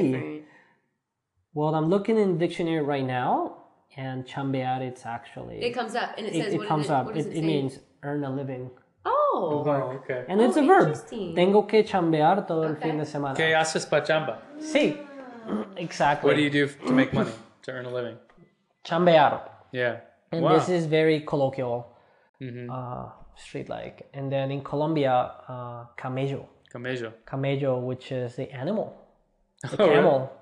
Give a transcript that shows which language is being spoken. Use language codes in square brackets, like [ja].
[en] It's different? Well, I'm looking in the dictionary right now, and chambear, it's actually... It comes up and it says it, what it comes it, up. What does it, it, it means earn a living. Oh, okay. Okay. And it's a verb. [es] Tengo que chambear todo el fin de semana. ¿Qué haces para chamba? Sí, [en] exactly. What do you do to make money, to earn a living? [es] Chambear. [en] Yeah. And this is very colloquial, street-like. And then in Colombia, camello. [es] Camello. [en] Camello, which is the animal. The camel.